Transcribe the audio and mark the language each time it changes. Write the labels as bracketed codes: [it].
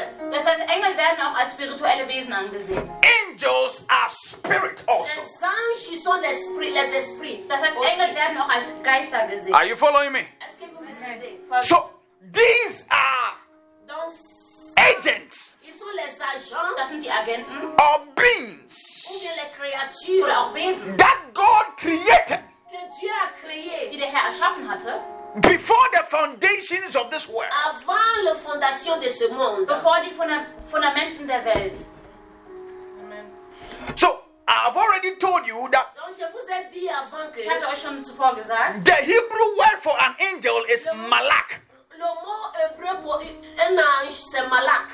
[de] Das heißt, Engel werden auch als spirituelle Wesen angesehen. [en] Angels are spirits also. [fr] Les anges ils sont des esprits, les esprits. [de] Das heißt, Engel werden auch als Geister gesehen. [en] Are you following me? So these are agents. [de] Das sind die Agenten. [en] Or beings. [de] Oder auch Wesen. [en] That God created. [fr] Que Dieu a créé. [de] Die der Herr erschaffen hatte. [en] Before the foundations of this world. [fr] Avant la fondation de ce monde. [de] Bevor die Fundamenten der Welt. [en] Amen. So, I've already told you that. [fr] Donc, je vous ai dit avant que. [de] Ich hatte euch schon zuvor gesagt. [en] The Hebrew word for an angel is malak. [fr] Le mot hébreu pour un ange, c'est malak.